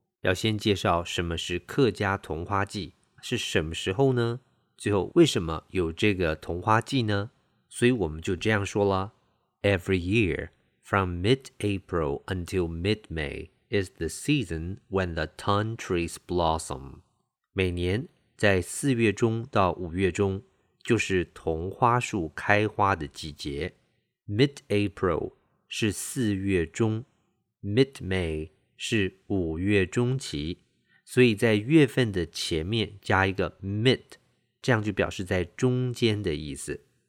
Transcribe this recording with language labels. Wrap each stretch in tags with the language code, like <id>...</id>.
<zh>要先介绍什么是客家桐花季，是什么时候呢？最后，为什么有这个桐花季呢？所以我们就这样说了。</zh> <en>Every year,From mid-April until mid-May is the season when the Tung trees blossom.</en> <zh>每年在四月中到五月中就是桐花树开花的季节。 Mid-April 是四月中 ,Mid-May 是五月中期。所以在月份的前面加一个 mid, 这样就表示在中间的意思。</zh>